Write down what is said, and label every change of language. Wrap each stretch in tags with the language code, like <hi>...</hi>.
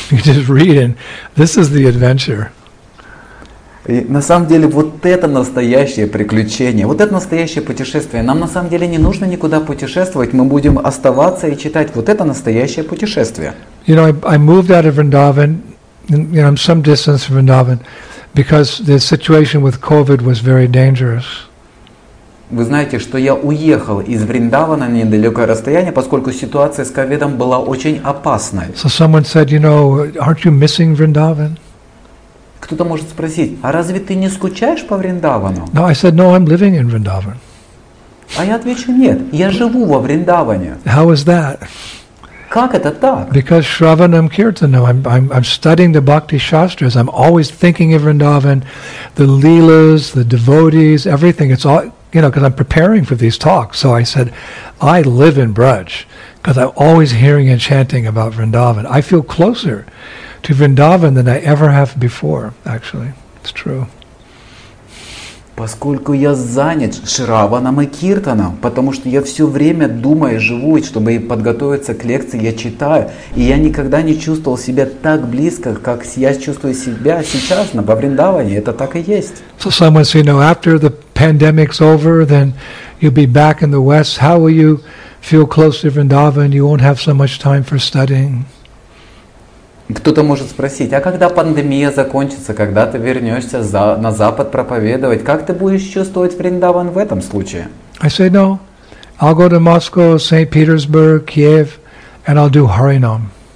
<en>You just read and this is the adventure.</en> <ru>И на самом деле вот это настоящее приключение, вот это настоящее путешествие. Нам на самом деле не нужно никуда путешествовать, мы будем оставаться и читать. Вот это настоящее путешествие.</ru> <en>You know, I moved out of Vrindavan, you know, I'm some distance from Vrindavan, because the situation with COVID was very dangerous.</en> <ru>Вы знаете, что я уехал из Вриндавана на недалекое расстояние, поскольку ситуация с ковидом была очень опасной.</ru> <en>So someone said, you know, aren't you missing Vrindavan?</en> <ru>Кто-то может спросить, а разве ты не скучаешь по Вриндавану?</ru> <en>No, I said, no, I'm living in Vrindavan.</en> <ru>А я отвечу, нет, я живу во Вриндаване.</ru> <en>How is that?</en> <ru>Как это так?</ru> <en>Because Shravanam Kirtanam, I'm studying the Bhakti Shastras, I'm always thinking of Vrindavan, the Leelas, the devotees, everything, it's all, you know, because I'm preparing for these talks. So I said, I live in Braj, because I'm always hearing and chanting about Vrindavan. I feel closer to Vrindavan than I ever have before, actually. It's true.</en> <ru>Поскольку я занят Шраваном и Киртаном, потому что я все время думаю и живу, чтобы подготовиться к лекции, я читаю, и я никогда не чувствовал себя так близко, как я чувствую себя сейчас на Вриндаване. Это так и есть.</ru> <en>So someone said, you know, after the pandemic's over, then you'll be back in the West. How will you feel close to Vrindavan? You won't have so much time for studying.</en> <ru>Кто-то может спросить, а когда пандемия закончится, когда ты вернешься на Запад проповедовать, как ты будешь чувствовать Вриндаван в этом случае?</ru> <en>I said, no, I'll go to Moscow, St. Petersburg, Kiev, and I'll do Harinam.</en>